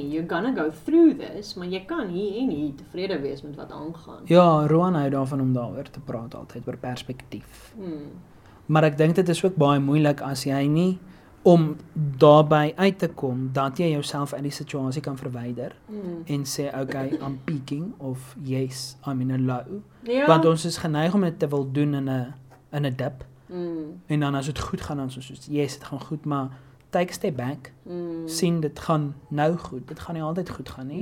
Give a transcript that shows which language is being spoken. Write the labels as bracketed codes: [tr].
[en] You're gonna go through this, [af] maar jy kan hier en hier tevrede wees met wat aangaan. Ja, Roan hou daarvan om daarover te praat altyd, oor perspektief. Hmm. Maar ek dink dit is ook baie moeilik as jy nie, om daarby uit te kom, dat jy jouself in die situasie kan verwyder, hmm. en sê, [en] okay, I'm peaking, of yes, I'm in a low. [af] Ja. Want ons is geneig om dit te wil doen [en] in a dip. Hmm. [af] En dan as het goed gaan, dan soos, yes, het gaan goed, maar [en] take a step back, mm. [af] sien, dit gaan nou goed, dit gaan nie altyd goed gaan nie,